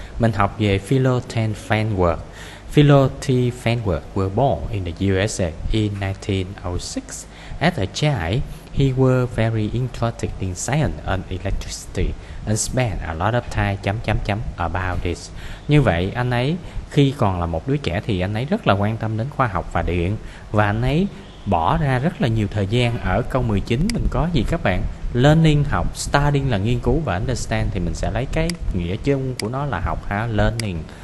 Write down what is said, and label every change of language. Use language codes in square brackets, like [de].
[vi] Mình học về Philotan Fanwork. [en] Philotan Fanwork were born in the USA in 1906. As a child, he was very interested in science and electricity and spent a lot of time about this. [vi] Như vậy, anh ấy khi còn là một đứa trẻ thì anh ấy rất là quan tâm đến khoa học và điện, và anh ấy bỏ ra rất là nhiều thời gian. Ở câu 19 mình có gì các bạn? Learning, học, studying là nghiên cứu, và understand thì mình sẽ lấy cái nghĩa chung của nó là học ha, learning.